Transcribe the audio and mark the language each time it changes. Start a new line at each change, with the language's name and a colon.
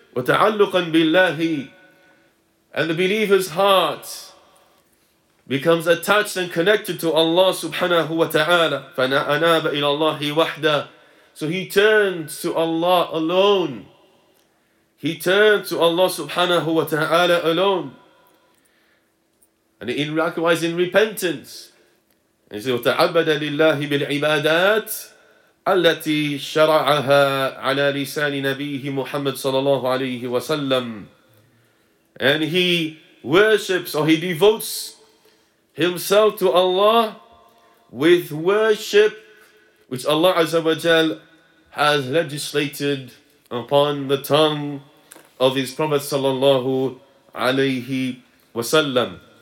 Arabic: وَتَعَلُّقًا بِاللَّهِ,
English: and the believer's heart becomes attached and connected to Allah subhanahu wa ta'ala.
Arabic: فَنَأَنَابَ إِلَى اللَّهِ وَحْدَهِ,
English: so he turns to Allah alone. He turns to Allah subhanahu wa ta'ala alone. And in likewise in repentance, he says,
Arabic: وَتَعَبَّدَ لِلَّهِ بِالْعِبَادَاتِ الَّتِي شَرَعَهَا عَلَى لِسَانِ نَبِيهِ مُحَمَّدٍ صَلَى اللَّهُ عَلَيْهِ وَسَلَّمَ.
English: And he worships, or he devotes himself to Allah with worship which Allah Azza wa Jal has legislated upon the tongue of his Prophet sallallahu alayhi wa sallam.